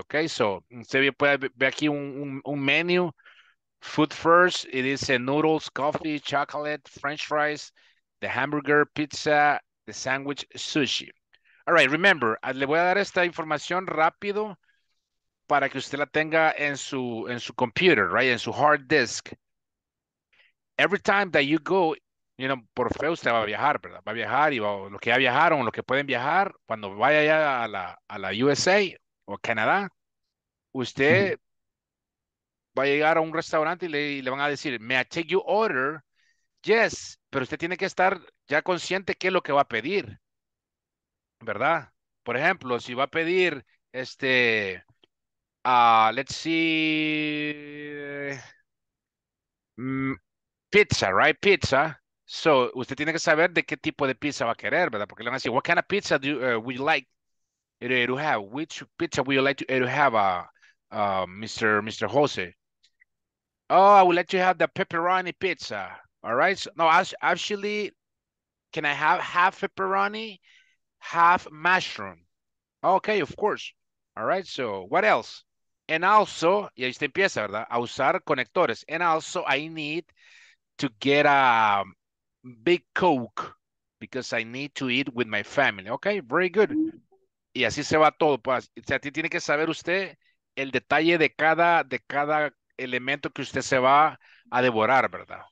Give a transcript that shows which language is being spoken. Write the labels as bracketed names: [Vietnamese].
[English] Okay, so [Spanish] usted puede ver aquí un menu. [English] Food first, it is noodles, coffee, chocolate, french fries, the hamburger, pizza, the sandwich, sushi. All right, remember, [Spanish] le voy a dar esta información rápido para que usted la tenga en su computer, right, en su hard disk. [English] Every time that you go, you know, [Spanish] por fe usted va a viajar, ¿verdad? Va a viajar y los que ya viajaron, los que pueden viajar, cuando vaya allá a la USA o Canadá, usted... Mm-hmm. Va a llegar a un restaurante y le van a decir, [English] may I take your order? Yes, [Spanish] pero usted tiene que estar ya consciente qué es lo que va a pedir, ¿verdad? Por ejemplo, si va a pedir, [English] let's see, pizza, right? Pizza. [Spanish] So, usted tiene que saber de qué tipo de pizza va a querer, ¿verdad? Porque le van a decir, [English] what kind of pizza would you like to have? Which pizza would you like to have, Mr. Jose? Oh, I would like to have the pepperoni pizza. All right. So, no, actually, can I have half pepperoni, half mushroom? Okay, of course. All right. So what else? And also, [Spanish] y ahí usted empieza, ¿verdad? A usar conectores. [English] And also, I need to get a big Coke because I need to eat with my family. Okay, very good. [Spanish] Y así se va todo. O sea, tiene que saber usted el detalle de cada elemento que usted se va a devorar, ¿verdad?